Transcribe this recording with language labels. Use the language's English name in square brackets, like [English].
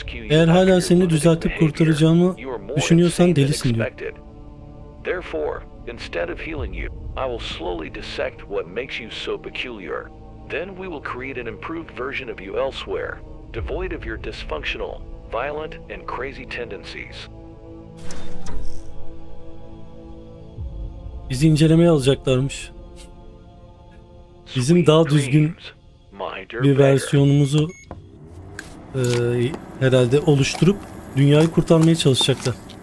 [Turkish] Eğer hala seni düzeltip kurtaracağımı düşünüyorsan delisin diyor. [English] Therefore, instead of healing you, I will slowly dissect what makes you so peculiar. Then we will create an improved version of you elsewhere, devoid of your dysfunctional, violent and crazy tendencies. [Turkish] Bizi incelemeye alacaklarmış. Bizim daha düzgün bir versiyonumuzu herhalde oluşturup dünyayı kurtarmaya çalışacaklar.